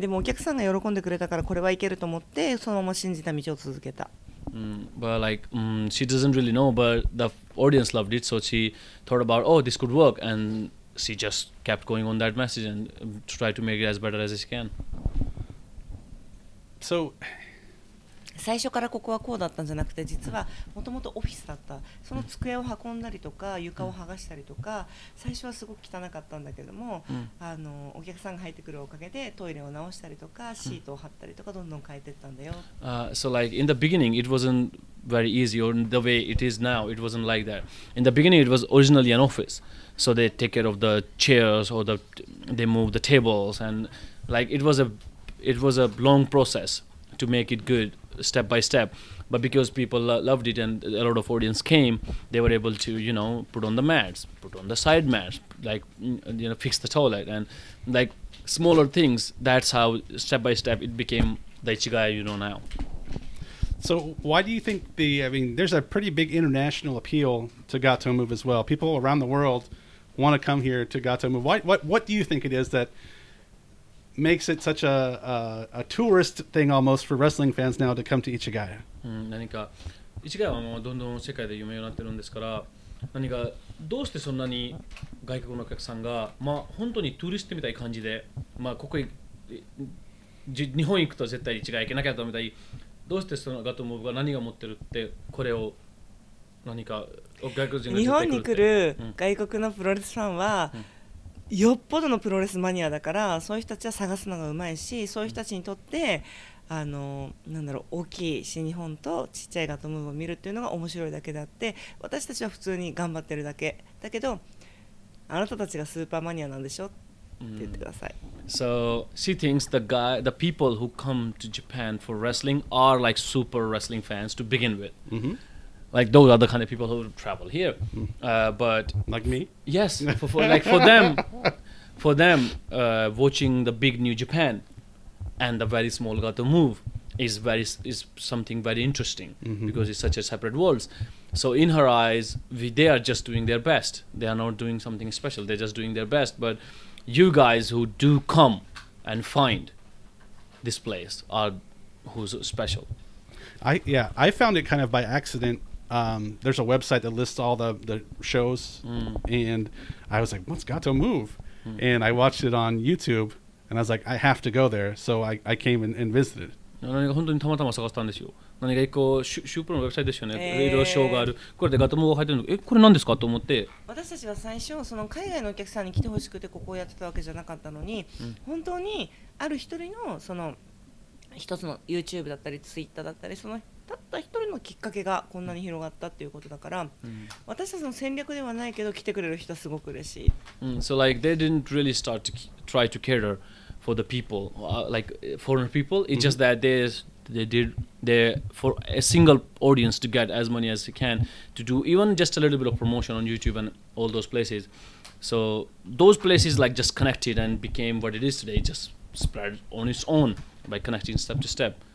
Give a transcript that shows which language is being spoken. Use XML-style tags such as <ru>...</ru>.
<ja>でもお客さんが喜んでくれたからこれはいけると思って、そのまま信じた道を続けた。</ja> <en>But like, she doesn't really know, but the audience loved it, so she thought about, oh, this could work, and she just kept going on that message and tried to make it as better as she can. So,</en> <ja>最初からここはこうだったんじゃなくて、実はもともとオフィスだった。その机を運んだりとか床を剥がしたりとか、最初はすごく汚かったんだけども、お客さんが入ってくるおかげでトイレを直したりとかシートを貼ったりとかどんどん変えていったんだよ。</ja> <en>So like in the beginning it wasn't very easy or the way it is now it wasn't like that. In the beginning it was originally an office. So they take care of the chairs or they move the tables and like it was a long process to make it good step by step, but because people loved it and a lot of audience came, they were able to, you know, put on the mats, put on the side mats, like, you know, fix the toilet and like smaller things. That's how step by step it became the Ichigaya you know now. So why do you think the, I mean, there's a pretty big international appeal to Gato Move as well. People around the world want to come here to Gato Move. Why, what do you think it is that makes it such a tourist thing almost for wrestling fans now to come to Ichigaya? Ichigaya is</en> <ja>どんどん世界で有名になってるんですから、何かどうしてそんなに外国のお客さんが、まあ、本当にトゥーリストみたいな感じで、まあ、ここへ日本行くと絶対に違い行けなきゃと思ったり、どうしてそのガトムーブが何が持ってるって、これを何か外国人が絶対来るって。日本に来る外国のプロレスファンは、うん、よっぽどのプロレスマニアだから、そういう人たちは探すのがうまいし、そういう人たちにとって、あのなんだろう、大きい新日本とちっちゃいガトムーブを見るっていうのが面白いだけであって、私たちは普通に頑張ってるだけ。だけど、あなたたちがスーパーマニアなんでしょって言ってください。うん、</ja> <en>So she thinks the guy, the people who come to Japan for wrestling are like super wrestling fans to begin with. Mm-hmm. Like those are the kind of people who travel here. But like me? Yes. For them, watching the big New Japan and the very small Gato Move is something very interesting mm-hmm. because it's such a separate worlds. So in her eyes, they are just doing their best. They are not doing something special. They're just doing their best. But you guys who do come and find this place are who's special. I found it kind of by accident. There's a website that lists all the shows, and I was like, "What's Gato Move?" And I watched it on YouTube, and I was like, "I have to go there." So I came and visited. I was really just looking for something.</en> <ja>何か一個シュープロのウェブサイトですよね、いろいろショーがある、これでガトムが入ってるの、これ何ですかと思って、私たちは最初その海外のお客さんに来てほしくてここをやってたわけじゃなかったのに、本当にある一人のその一つの YouTube だったり Twitter だったり、そのたった一人のきっかけがこんなに広がったっていうことだから、私たちの戦略ではないけど来てくれる人はすごく嬉しい、</ja> <en>So like they didn't really start to try to care for the people like foreign people, it's just that they did for a single audience to get as many as they can to do even just a little bit of promotion on YouTube and all those places. So those places like just connected and became what it is today, just spread on its own by connecting step to step.</en>